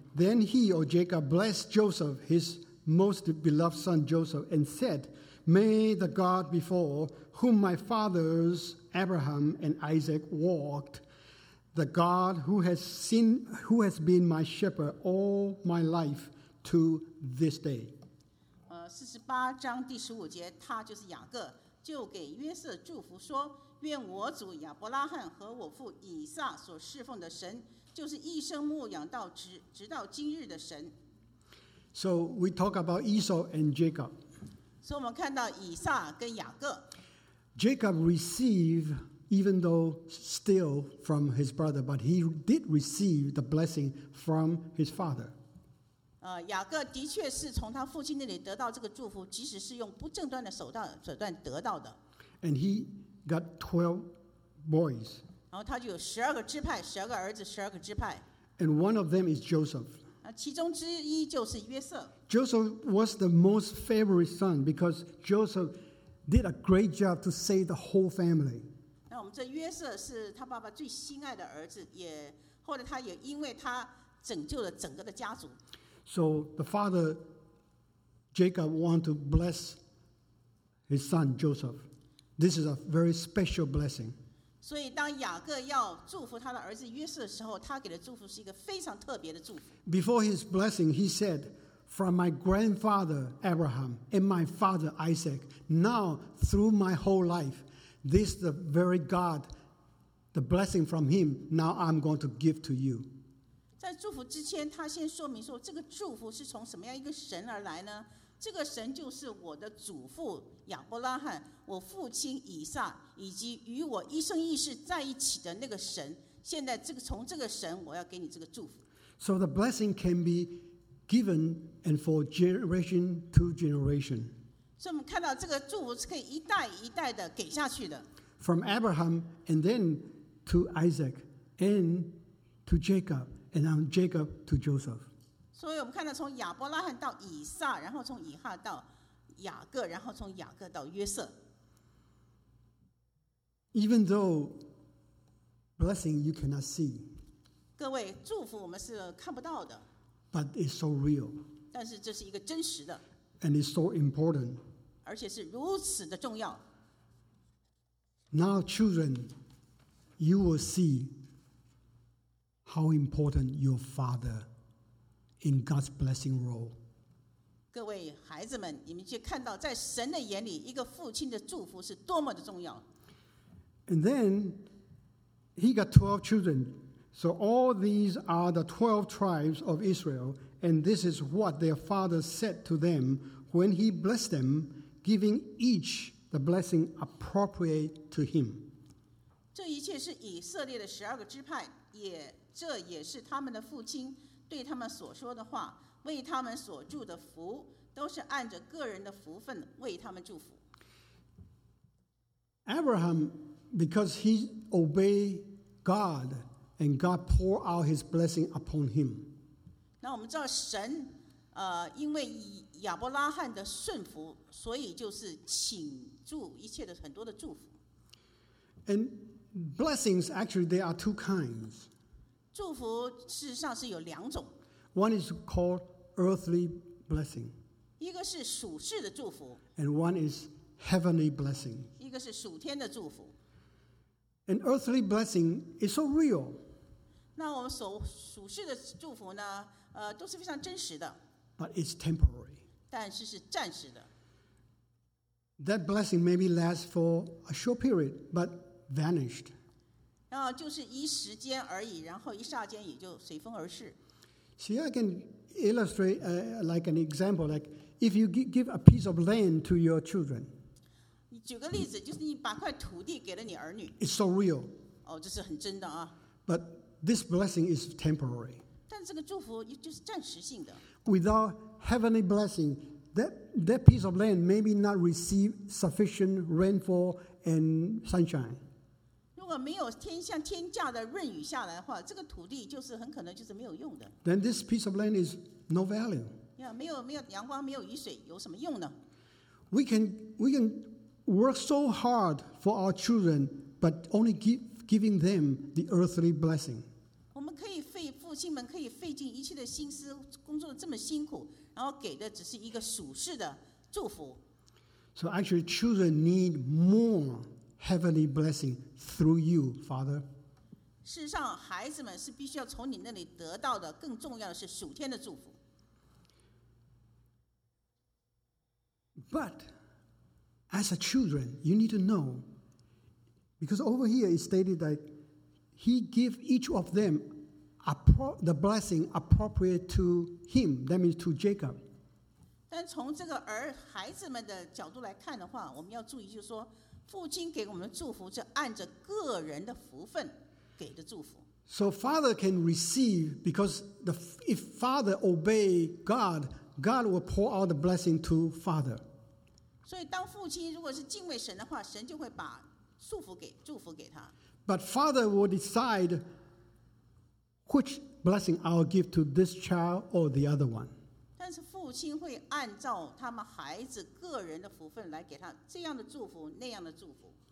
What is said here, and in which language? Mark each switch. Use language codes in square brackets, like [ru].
[en] Then he or Jacob blessed Joseph, his most beloved son Joseph, and said, "May the God before whom my fathers Abraham and Isaac walked, the God who has been my shepherd all my life to this day." [zh] 48章第15节，他就是雅各，就给约瑟祝福说。 愿我主亚伯拉罕和我父以撒所侍奉的神就是一生牧养到直到今日的神。 [en] So we talk about Esau and Jacob. [zh] 所以我们看到以撒跟雅各。 [en] Jacob received, even though still from his brother, but he did receive the blessing from his father. [zh] 雅各的确是从他父亲那里得到这个祝福，即使是用不正当的手段得到的。 [en] And he got 12 boys. [zh] 然后他就有12个支派，12个儿子，12个支派。 [en] And one of them is Joseph. [zh] 其中之一就是约瑟。 [en] Joseph was the most favorite son because Joseph did a great job to save the whole family. [zh] 那我们这约瑟是他爸爸最心爱的儿子，也后来他也因为他拯救了整个的家族。 [en] So the father Jacob want to bless his son Joseph. This is a very special blessing. [zh] 所以当雅各要祝福他的儿子约瑟的时候，他给的祝福是一个非常特别的祝福。 [en] Before his blessing, he said, "From my grandfather Abraham and my father Isaac, now through my whole life, this the very God, the blessing from him, now I'm going to give to you." [zh] 在祝福之前，他先说明说，这个祝福是从什么样一个神而来呢？这个神就是我的祖父亚伯拉罕，我父亲以撒，以及与我一生一世在一起的那个神。现在这个从这个神，我要给你这个祝福。 [en] So the blessing can be given and for generation to generation. So we can see this blessing is can be given from generation to generation. From Abraham and then to Isaac and to Jacob and from Jacob to Joseph. So we can see from Abraham to Isaac, then from Isaac to Jacob, then from Jacob to Joseph. Even though blessing you cannot see. [zh] 各位，祝福我们是看不到的。 [en] But it's so real. [zh] 但是这是一个真实的。 [en] And it's so important. [zh] 而且是如此的重要。 [en] Now, children, you will see how important your father in God's blessing role. [zh] 各位孩子们，你们去看到，在神的眼里，一个父亲的祝福是多么的重要。 [en] And then he got 12 children. So all these are the 12 tribes of Israel, and this is what their father said to them when he blessed them, giving each the blessing appropriate to him. [zh] 这一切是以色列的十二个支派，也这也是他们的父亲对他们所说的话，为他们所祝的福，都是按着个人的福分为他们祝福。 [en] Abraham, because he obeyed God,And God poured out His blessing upon him. [zh] 那我们知道神，因为亚伯拉罕的顺服，所以就是倾注一切的很多的祝福。 [en] And blessings actually there are two kinds. [zh] 祝福事实上是有两种。 [en] One is called earthly blessing. [zh] 一个是属世的祝福。 [en] And one is heavenly blessing. [zh] 一个是属天的祝福。 [en] An earthly blessing is so real. [zh] 那我们所属世的祝福呢？都是非常真实的。 [en] But it's temporary. [zh] 但是是暂时的。 [en] That blessing maybe lasts for a short period, but vanished. [zh] 那就是一时间而已，然后一霎间也就随风而逝。 [en] See, I can illustrate, like an example, like if you give a piece of land to your children. [zh] 举个例子，就是你把块土地给了你儿女。 [en] It's so real. [zh] 哦，这是很真的啊。 [en] But this blessing is temporary. [zh] 但这个祝福就是暂时性的。 [en] Without heavenly blessing, that piece of land maybe not receive sufficient rainfall and sunshine. [zh] 如果没有天降的润雨下来的话，这个土地就是很可能就是没有用的。 [en] Then this piece of land is no value. [zh] 没有阳光，没有雨水，有什么用呢 [en] ？We can work so hard for our children, but only giving them the earthly blessing. [zh] 我们可以费父亲们可以费尽一切的心思，工作这么辛苦，然后给的只是一个属世的祝福。 [en] So actually, children need more heavenly blessing through you, Father. [zh] 事实上，孩子们是必须要从你那里得到的，更重要的是属天的祝福。 [en] But As a children, you need to know, because over here it stated that he gave each of them the blessing appropriate to him, that means to Jacob. [zh] 但从这个儿孩子们的角度来看的话，我们要注意，就是说，父亲给我们的祝福是按着个人的福分给的祝福。 [en] So father can receive because if father obey God, God will pour out the blessing to father. [zh] 所以当父亲如果是敬畏神的话，神就会把祝福给他。 [en] But father will decide which blessing I will give to this child or the other one. [zh] 但是父亲会按照他们孩子个人的福分来给他这样的祝福，那样的祝福。